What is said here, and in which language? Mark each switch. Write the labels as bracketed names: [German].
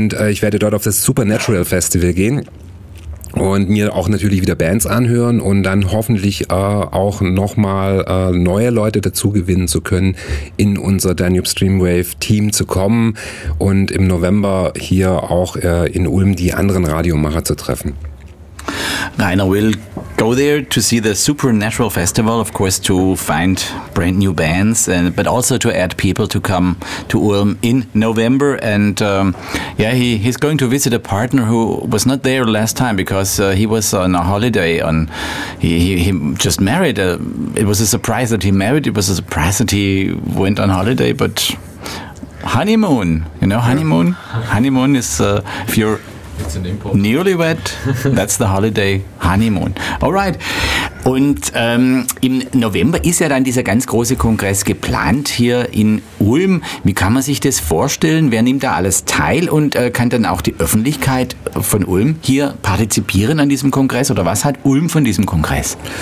[German] Ich werde dort auf das Supernatural Festival gehen. Und mir auch natürlich wieder Bands anhören und dann hoffentlich auch nochmal neue Leute dazu gewinnen zu können, in unser Danube Streamwave Team zu kommen und im November hier auch in Ulm die anderen Radiomacher zu treffen. [English] Rainer will go there to see the Supernatural Festival, of course, to find brand new bands, but also to add people to come to Ulm in November. And he's going to visit a partner who was not there last time because he was on a holiday. He just married. It was a surprise that he married. It was a surprise that he went on holiday. But honeymoon, you know, honeymoon. Honeymoon is if you're newlywed, that's the holiday honeymoon. All right. [German] Und im November ist ja dann dieser ganz große Kongress geplant hier in Ulm. Wie kann man sich das vorstellen? Wer nimmt da alles teil, und kann dann auch die Öffentlichkeit von Ulm hier partizipieren an diesem Kongress? Oder was hat Ulm von diesem Kongress?